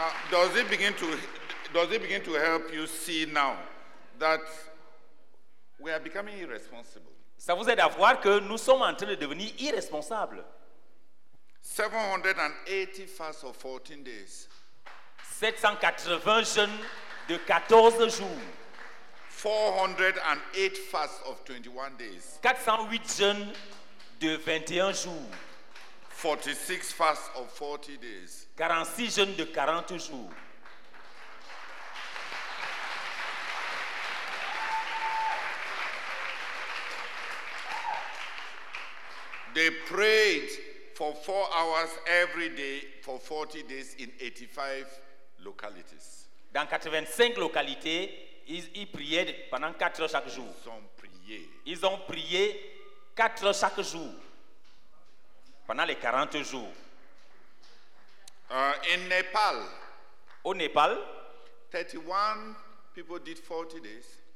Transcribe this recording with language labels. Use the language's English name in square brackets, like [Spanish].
[English] Does it begin to help you see now that we are becoming irresponsible? [French] Ça vous aide à voir que nous sommes en train de devenir irresponsables. [English] 780 fasts of 14 days. [French] 780 jeûnes de 14 jours. [English] 408 fasts of 21 days. [French] 408 jeûnes de 21 jours. [English] 46 fasts of 40 days. [French] 46 jeûnes de 40 jours. [English] They prayed for 4 hours every day for 40 days in 85 localities. [French] Dans 85 localités, ils priaient pendant 4 heures chaque jour. Ils ont prié. Ils ont prié 4 heures chaque jour. Pendant les 40 jours. [English] In Nepal, [French] au Népal, [English] 31 people did 40 days.